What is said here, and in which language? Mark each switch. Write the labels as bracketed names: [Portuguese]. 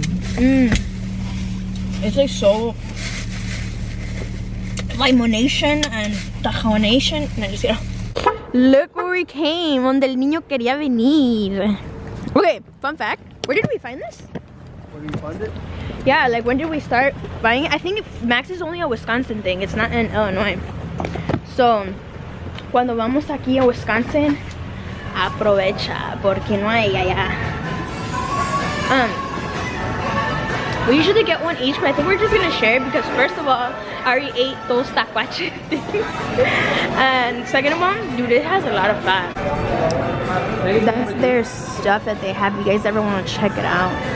[English] It's like so limonation and tajonation. No, just kidding. Look where we came. [Spanish] Donde el niño quería venir. [English] Okay, fun fact. Where did we find this? Where did you find it? Yeah, like when did we start buying it? I think Max is only a Wisconsin thing. It's not in Illinois. [Spanish] So, cuando vamos aquí a Wisconsin, aprovecha, porque no hay allá. [English] We usually get one each, but I think we're just gonna share it because first of all, I already ate those tacuache things. And second of all, dude, it has a lot of fat. That's their stuff that they have. You guys ever wanna check it out?